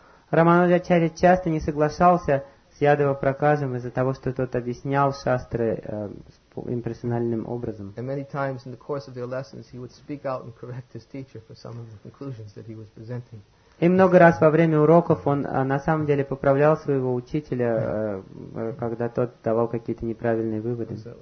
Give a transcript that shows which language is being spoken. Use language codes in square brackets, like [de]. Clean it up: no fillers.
[ru] Рамануджачарья часто не соглашался с Ядава Пракашем из-за того, что тот объяснял шастры имперсональным образом. [en] And many times in the course of their lessons, he would speak out and correct his teacher for some of the conclusions that he was presenting. [ru] И много раз во время уроков он на самом деле поправлял своего учителя, когда тот давал какие-то неправильные выводы.